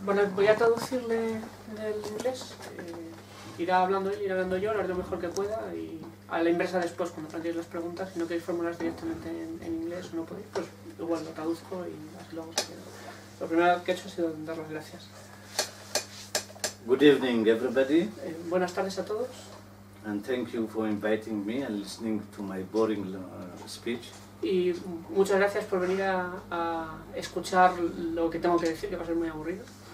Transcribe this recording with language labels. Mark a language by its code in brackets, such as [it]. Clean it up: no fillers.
[es] Bueno, voy a traducirle del inglés, irá hablando él, irá hablando yo, lo haré lo mejor que pueda y a la inversa después cuando planteéis las preguntas, si no queréis formularlas directamente en inglés o no podéis, pues igual lo traduzco y así luego se queda. Lo primero que he hecho ha sido dar las gracias. [en] Good evening, everybody. [es] Buenas tardes a todos. [en] And thank you for inviting me and listening to my boring speech. [es] Y muchas gracias por venir a escuchar lo que tengo que decir, que va a ser muy aburrido.